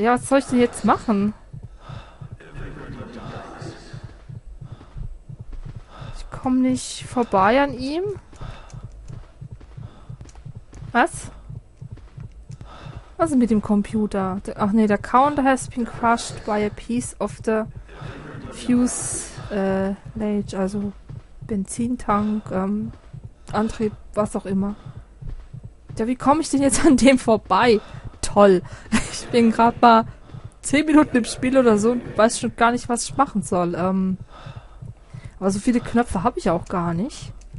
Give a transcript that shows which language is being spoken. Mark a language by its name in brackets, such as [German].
[German] Ja, was soll ich denn jetzt machen? Ich komme nicht vorbei an ihm. Was? Was ist mit dem Computer? Ach nee, [English] the counter has been crushed by a piece of the fuse, [German] lage, also Benzintank, Antrieb, was auch immer. Ja, wie komme ich denn jetzt an dem vorbei? Toll. Ich bin gerade mal 10 Minuten im Spiel oder so und weiß schon gar nicht, was ich machen soll. Aber so viele Knöpfe habe ich auch gar nicht.